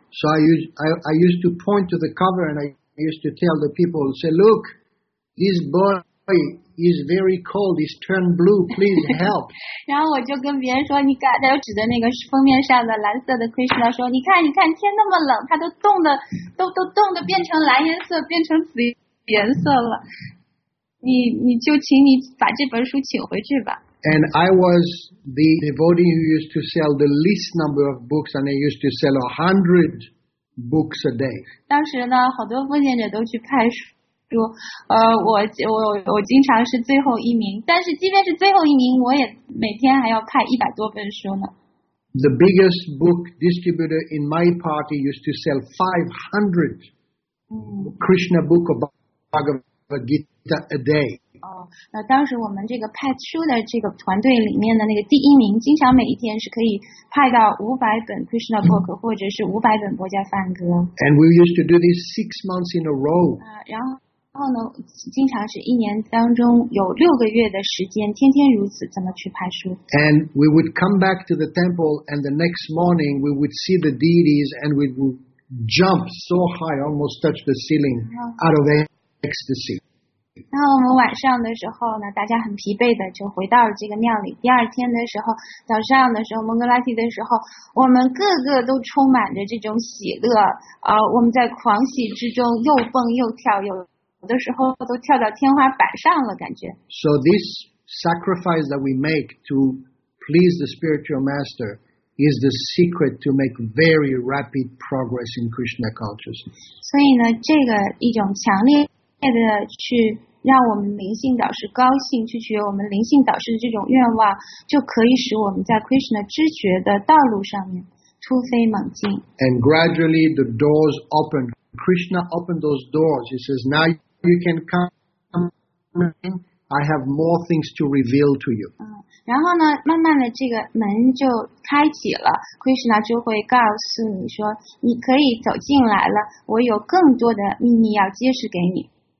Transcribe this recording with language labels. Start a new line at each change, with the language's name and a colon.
English: So I used to point to the cover and I used to tell the people, say, look, this boy is very cold, he's turned blue, please help.
Chinese: 然后我就跟别人说，你看，他就指着那个封面上的蓝色的 Krishna 说，你看，你看，天那么冷，他都冻的，都冻的变成蓝颜色，变成紫颜色了。你就请你把这本书请回去吧。
English: And I was the devotee who used to sell the least number of books, and I used to sell 100 books. Books a day.
Chinese: 当时呢，好多奉献者都去派书，我经常是最后一名。但是即便是最后一名，我也每天还要派100多本书呢。
English: The biggest book distributor in my party used to sell 500 Krishna book of Bhagavad Gita a day.
Chinese: 那当时我们这个派书的这个团队里面的那个第一名，经常每一天是可以派到500本 Krishna book 或者是500本国家梵歌。
English: And we used to do this 6 months in a row.
Chinese: 然后呢，经常是一年当中有6个月的时间，天天如此，怎么去派书
English: ？And we would come back to the temple, and the next morning we would see the deities, and we would jump so high, almost touch the ceiling, out of ecstasy.
Chinese: 那我们晚上的时候呢，大家很疲惫的就回到了这个庙里。第二天的时候，早上的时候，蒙格拉提的时候，我们个个都充满着这种喜乐，我们在狂喜之中又蹦又跳，有的时候都跳到天花板上了，感觉。
English: So this sacrifice that we make to please the spiritual master is the secret to make very rapid progress in Krishna consciousness.
Chinese: 所以呢，这个一种强烈。去让我们灵性导师高兴，去取悦我们灵性导师的这种愿望，就可以使我们在 Krishna 知觉的道路上面突飞猛进。
English: And gradually the doors open. Krishna opened those doors. He says, "Now you can come in. I have more things to reveal to you."
Chinese: 然后呢，慢慢的这个门就开启了 ，Krishna 就会告诉你说，你可以走进来了，我有更多的秘密要揭示给你。